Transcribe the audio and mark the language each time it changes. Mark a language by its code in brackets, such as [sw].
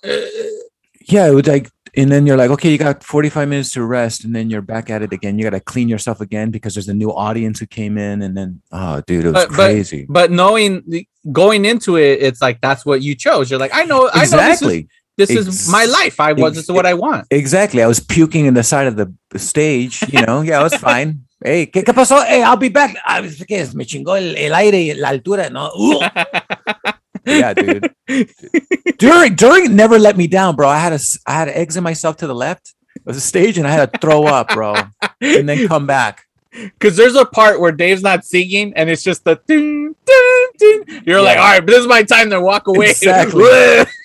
[en] Yeah, it was like, and then you're like, okay, you got 45 minutes to rest, and then you're back at it again. You got to clean yourself again because there's a new audience who came in, and then, oh, dude, it was crazy. But knowing going into it, it's like that's what you chose. You're like, I know exactly. This is my life. This is what I want. Exactly. I was puking in the side of the stage. You know, yeah, it was fine. Hey, [es] ¿qué pasó? [en] Hey, I'll be back. I was like, [es] me chingó el aire y la altura, ¿no? [en] Yeah, dude. During, never let me down, bro. I had to exit myself to the left. It was a stage, and I had to throw up, bro, and then come back. Because there's a part where Dave's not singing, and it's just the ding, ding, ding. You're like, all right, but this is my time to walk away. Exactly.